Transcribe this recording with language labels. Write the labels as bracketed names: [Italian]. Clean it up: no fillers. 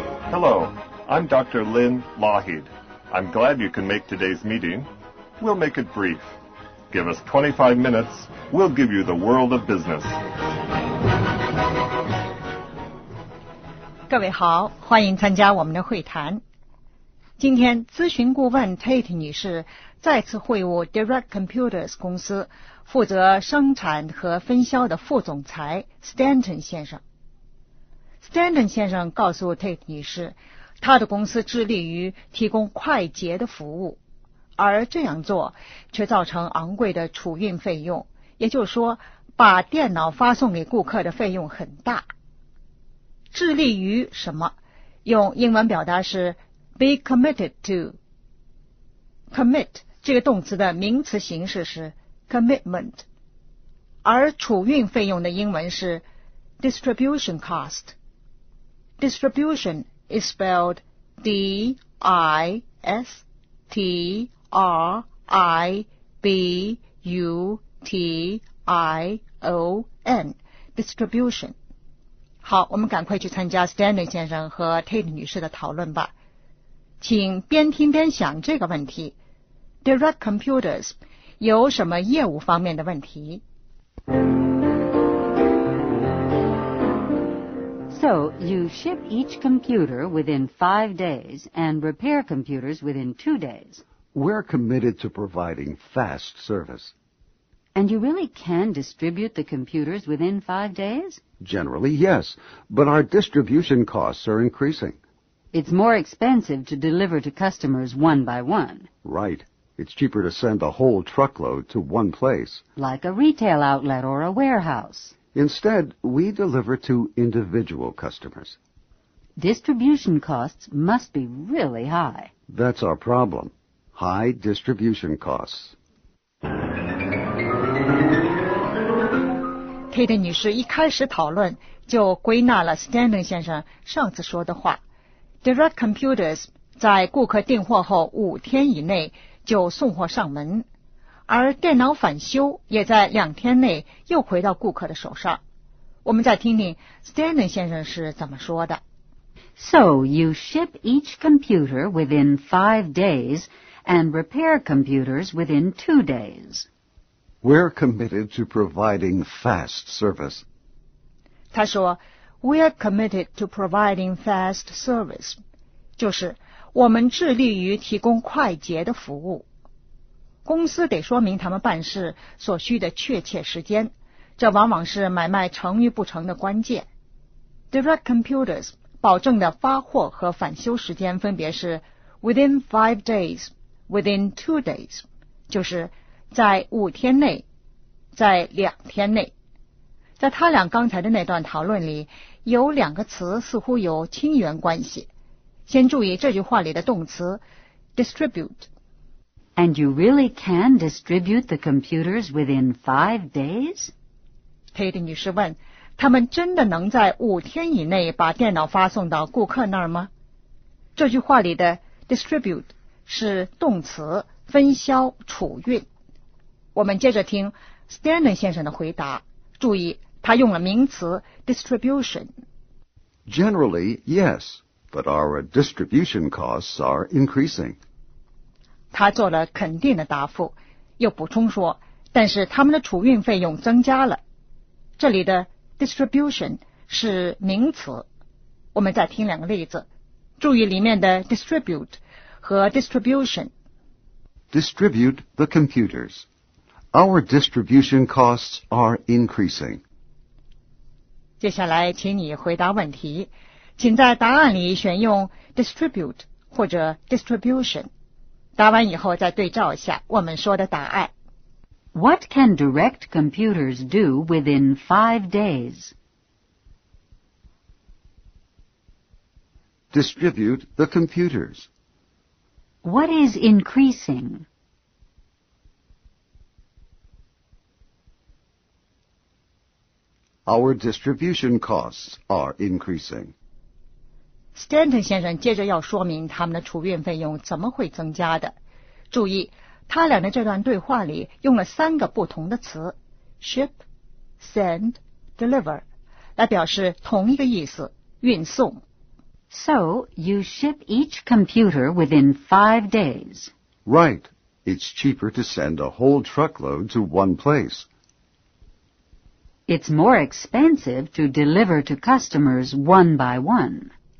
[English] Hello. I'm Dr. Lynn Lougheed. I'm glad you can make today's meeting. We'll make it brief. Give us 25 minutes. We'll give you the world of business. [Chinese] 各位好，欢迎参加我们的会谈。今天咨询顾问 Tate 女士再次会晤 Direct Computers 公司负责生产和分销的副总裁 Stanton 先生。 Stanton 先生告诉 Tate 女士，他的公司致力于提供快捷的服务，而这样做却造成昂贵的储运费用，也就是说把电脑发送给顾客的费用很大。致力于什么？用英文表达是 [English] be committed to。 [Chinese] commit 这个动词的名词形式是 commitment， 而储运费用的英文是 [English] distribution cost。 distributionis spelled D-I-S-T-R-I-B-U-T-I-O-N distribution。 [Chinese] 好，我们赶快去参加 Stanley 先生和 Tate 女士的讨论吧。请边听边想这个问题， Direct Computers 有什么业务方面的问题？ [English] So you ship each computer within 5 days and repair computers within 2 days. We're committed to providing fast service. And you really can distribute the computers within 5 days? Generally, yes. But our distribution costs are increasing. It's more expensive to deliver to customers one by one. Right. It's cheaper to send a whole truckload to one place. Like a retail outlet or a warehouse. Instead, we deliver to individual customers. Distribution costs must be really high. That's our problem. High distribution costs. [Chinese] Kate 女士一开始讨论就归纳了 Stanley 先生上次说的话。 Direct Computers 在顾客订货后5天以内就送货上门。而电脑返修也在2天内又回到顾客的手上。我们再听听 Stanley 先生是怎么说的。 [English] So you ship each computer within 5 days and repair computers within 2 days. We're committed to providing fast service. [Chinese] 他说 [English] We're committed to providing fast service. [Chinese] 就是我们致力于提供快捷的服务。公司得说明他们办事所需的确切时间，这往往是买卖成与不成的关键。 Direct Computers 保证的发货和返修时间分别是 [English] within 5 days, within 2 days, [Chinese] 就是在5天内，在2天内。在他俩刚才的那段讨论里，有两个词似乎有亲缘关系。先注意这句话里的动词 distribute。 [English] And you really can distribute the computers within 5 days? [Chinese] Tate 女士问，他们真的能在5天以内把电脑发送到顾客那儿吗？这句话里的 distribute 是动词，分销、储运。我们接着听 Stanley 先生的回答，注意他用了名词 distribution。 [English] Generally, yes, but our distribution costs are increasing. [Chinese] 他做了肯定的答复，又补充说，但是他们的储运费用增加了。这里的 distribution 是名词。我们再听两个例子，注意里面的 distribute 和 distribution。 [English] Distribute the computers. Our distribution costs are increasing. [Chinese] 接下来请你回答问题，请在答案里选用 distribute 或者 distribution。答完以后再对照一下我们说的答案。 [English] What can Direct Computers do within 5 days? Distribute the computers. What is increasing? Our distribution costs are increasing. [Chinese] Stanton 先生接着要说明他们的储运费用怎么会增加的。注意，他俩的这段对话里用了三个不同的词 , [English] ship, send, deliver, [Chinese] 来表示同一个意思，运送。 [English] So, you ship each computer within 5 days. Right. It's cheaper to send a whole truckload to one place. It's more expensive to deliver to customers one by one.